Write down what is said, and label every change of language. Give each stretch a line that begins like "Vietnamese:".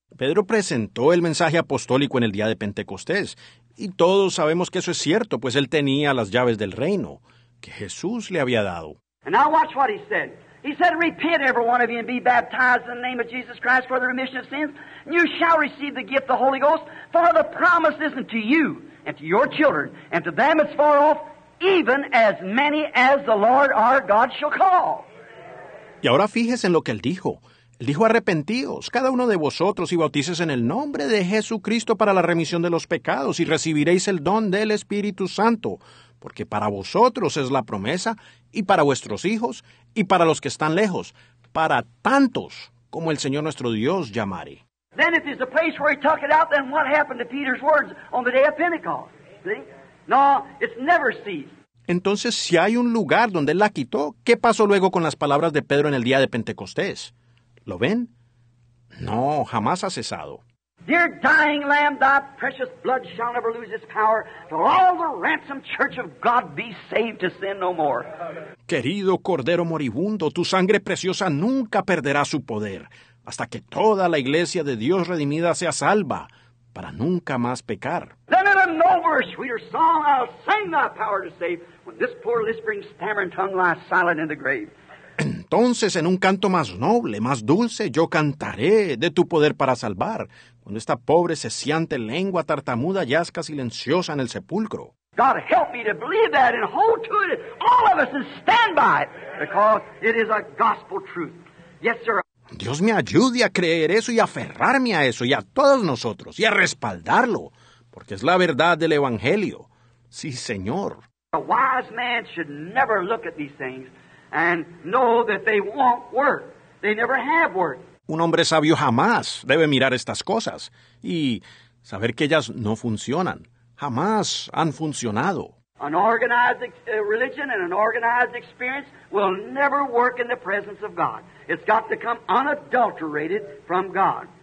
Spanish: Pedro presentó el mensaje apostólico en el día de Pentecostés. Y todos sabemos que eso es cierto, pues él tenía las llaves del reino que Jesús le había dado.
English: And now watch what he said. He said, repent, every one of you, and be baptized in the name of Jesus Christ for the remission of sins, and you shall receive the gift of the Holy Ghost, for the promise is unto you, and to your children, and to them as far off, even as many as the Lord our God shall call.
Spanish: Y ahora fíjese en lo que él dijo. Él dijo, arrepentíos, cada uno de vosotros, y bautices en el nombre de Jesucristo para la remisión de los pecados, y recibiréis el don del Espíritu Santo. Porque para vosotros es la promesa, y para vuestros hijos, y para los que están lejos, para tantos como el Señor nuestro Dios llamare.
English: Then if there's a place where he took it out, then what happened to Peter's words on the day of Pentecost? See? No, it's never ceased.
Spanish: Entonces, si hay un lugar donde él la quitó, ¿qué pasó luego con las palabras de Pedro en el día de Pentecostés? ¿Lo ven? No, jamás ha cesado.
English: Dear dying Lamb, thy precious blood shall never lose its power till all the ransomed church of God be saved to sin no more.
Spanish: Querido Cordero Moribundo, tu sangre preciosa nunca perderá su poder hasta que toda la iglesia de Dios redimida sea salva para nunca más pecar.
English: Then in a nobler, sweeter song I'll sing thy power to save when this poor lisping stammering tongue lies silent in the grave.
Spanish: Entonces, en un canto más noble, más dulce, yo cantaré de tu poder para salvar, cuando esta pobre, ceciante lengua tartamuda yazca silenciosa en el sepulcro.
English: God, help me to believe that and hold to it, all of us, and stand by it, because it is a gospel truth. Yes, sir.
Spanish: Dios me ayude a creer eso y aferrarme a eso y a todos nosotros y a respaldarlo, porque es la verdad del Evangelio. Sí, Señor.
English: A wise man should never look at these things and know that they won't work. They never have worked.
Spanish: Un hombre sabio jamás debe mirar estas cosas y saber que ellas no funcionan. Jamás han funcionado.
English: An organized religion and an organized experience will never work in the presence of God. It's got to come unadulterated from God.